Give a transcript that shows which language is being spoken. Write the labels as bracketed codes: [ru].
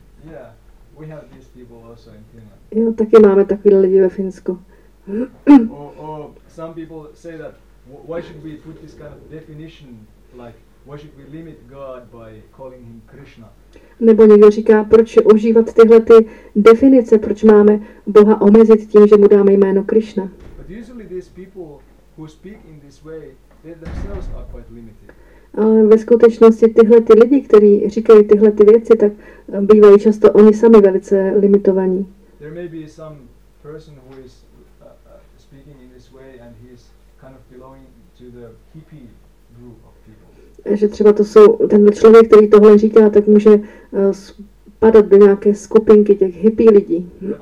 [en] Yeah, we have these people also in Finland. [cs] Jo, taky máme takový lidi ve Finsku. [en] Or some people say that, why should we put this kind of definition like, why should we limit God by calling him Krishna? [cs] Nebo někdo říká, proč užívat tyhle ty definice, proč máme Boha omezit tím, že mu dáme jméno Krishna? [en] But usually these people who speak in this way, they themselves are quite limited. [cs] Ale ve skutečnosti tyhle ty lidi, kteří říkají tyhle ty věci, tak bývají často oni sami velice limitovaní. [en] There may be some person who is speaking in this way and he is kind of belonging to the hippie group. [cs] Že třeba to jsou ten člověk, který tohle říká, tak může spadat do nějaké skupinky těch hippie lidí.